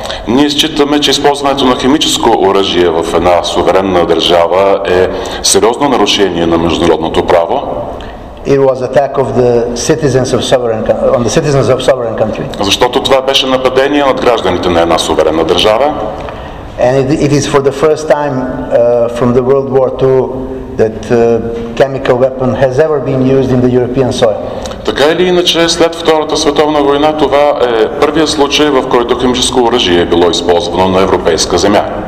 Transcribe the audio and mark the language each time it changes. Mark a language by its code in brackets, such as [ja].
[bg] Ние считаме, че използването на химическо оръжие в една суверенна държава е сериозно нарушение на международното право. [en] It was attack of the citizens of sovereign on the citizens of sovereign country. [bg] Защото това беше нападение над гражданите на една суверенна държава. [en] And it is for the first time from the World War II that chemical weapon has ever been used in the European soil. [bg] Така или иначе, след Втората световна война, това е първият случай, в който химическо оръжие е било използвано на европейска земя.